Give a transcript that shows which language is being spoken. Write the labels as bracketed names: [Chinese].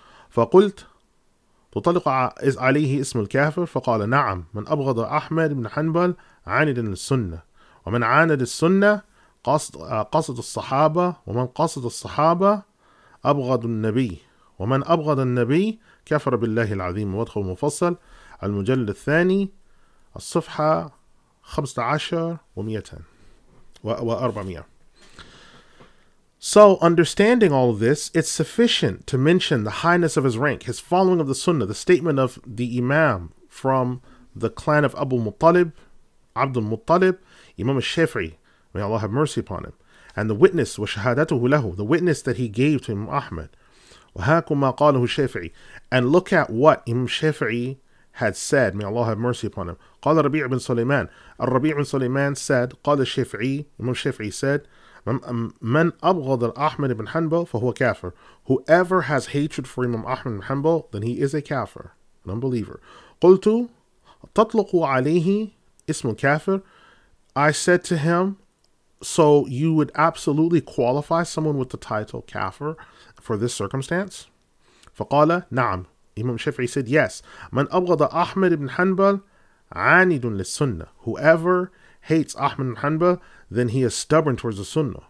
[Arabic] فَقُلْتُ تطلق عليه اسم الكافر فقال نعم من أبغض أحمد بن حنبل عاند السنة ومن عاند السنة قصد الصحابة ومن قصد الصحابة أبغض النبي ومن أبغض النبي كفر بالله العظيم. وادخل مفصل المجلد الثاني الصفحة 15 و 400. [English] So understanding all of this, it's sufficient to mention the highness of his rank, his following of the Sunnah, the statement of the Imam from the clan of Abu Muttalib, Abdul Muttalib, Imam al-Shafi'i, may Allah have mercy upon him, and the witness, [Arabic] وَشَهَادَتُهُ لَهُ, [English] the witness that he gave to Imam Ahmad, [Arabic] وَهَاكُمْ مَا قَالَهُ الشَّافِعِي, [English] and look at what Imam al-Shafi'i had said, may Allah have mercy upon him. [Arabic] قَالَ رَبِيعُ بْنُ سُلَيْمَانَ, الرَّبِيعُ بْنُ سُلَيْمَانَ [English] said, [Arabic] قَالَ الشَّافِعِي, [English] Imam al-Shafi'i said, [Arabic] من أبغض أحمد بن حنبل فهو كافر. [English] Whoever has hatred for Imam Ahmad bin Hanbal, then he is a kafir, an unbeliever. [Arabic] قلت تطلق عليه اسم الكافر. [English] I said to him, So you would absolutely qualify someone with the title kafir for this circumstance? [Arabic] Faqala, na'am. [English] Imam Shafi'i said, yes. [Arabic] Man abghada Ahmad ibn Hanbal, anidun lis sunnah. [English] Whoever hates Ahmad ibn Hanbal, then he is stubborn towards the sunnah.